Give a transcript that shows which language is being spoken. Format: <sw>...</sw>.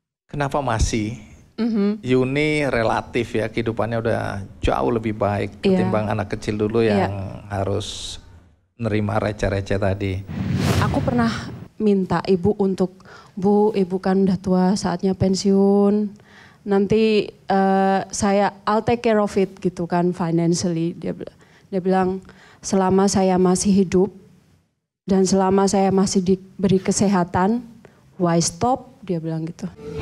<id>Kenapa masih? Yuni relatif ya, kehidupannya udah jauh lebih baik ketimbang anak kecil dulu yang harus nerima receh-receh tadi. Aku pernah minta ibu untuk, "Bu, ibu kan udah tua, saatnya pensiun. Nanti saya,</id> <en>I'll take care of it,"</en> <id>gitu kan,</id> <en>financially.</en> <id>Dia bilang, "Selama saya masih hidup dan selama saya masih diberi kesehatan,</id> <en>why stop?"</en> <id>Dia bilang gitu.</id>